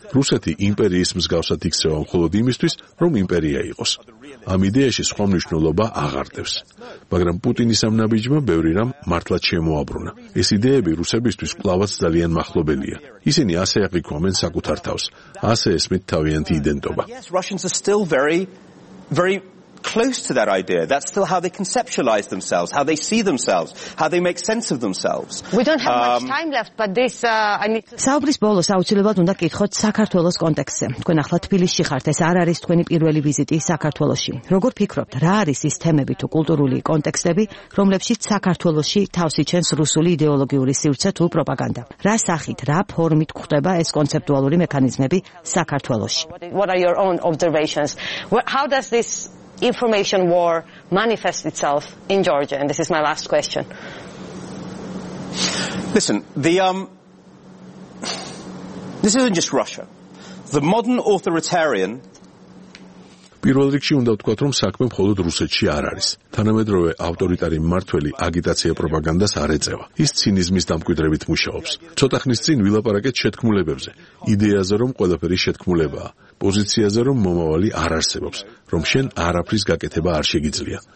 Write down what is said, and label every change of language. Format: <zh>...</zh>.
<ka>რუსეთი იმპერიის მსგავსად იქცევა მხოლოდ იმისთვის, რომ იმპერია იყოს. ამ იდეაში სხვა მნიშვნელობა აღარ დევს. მაგრამ პუტინის ამ ნაბიჯმა ბევრი რამ მართლაც შემოაბრუნა. ეს იდეები რუსებისთვის კვლავაც ძალიან მახლობელია. ისინი ასე აღიქვამენ საკუთარ თავს, ასე ესმით თავიანთი იდენტობა.</ka> <en>Russians are still very very close to that idea. That's still how they conceptualize themselves, how they see themselves, how they make sense of themselves. We don't have much time left, but this I need to</en> <ka>საუბრის ბოლოს აუცილებლად უნდა გითხოთ საქართველოს კონტექსტზე. თქვენ ახლა თბილისში ხართ, ეს არ არის თქვენი პირველი ვიზიტი საქართველოში. როგორ ფიქრობთ, რა არის ის თემები თუ კულტურული კონტექსტები, რომლებშიც საქართველოში თავს იჩენს რუსული იდეოლოგიური სივრცე თუ პროპაგანდა? რა სახით, რა ფორმით ხდება ეს კონცეპტუალური მექანიზმები საქართველოში?</ka> <en>What are your own observations? How does this information war manifest itself in Georgia? And this is my last question. Listen, this isn't just Russia. The modern authoritarian</en> <ka>პირველ რიგში უნდა ვთქვათ, რომ საქმე მხოლოდ რუსეთში არ არის. თანამედროვე ავტორიტარი მმართველი აგიტაცია პროპაგანდას არ ეწევა. ის ცინიზმის დამკვიდრებით მუშაობს. ცოტა ხნის წინ ვილაპარაკეთ შეთქმულებებზე, იდეაზე, რომ ყველაფერი შეთქმულებაა, პოზიციაზე, რომ მომავალი არ არსებობს, რომ შენ არაფრის გაკეთება არ შეგიძლია.</ka>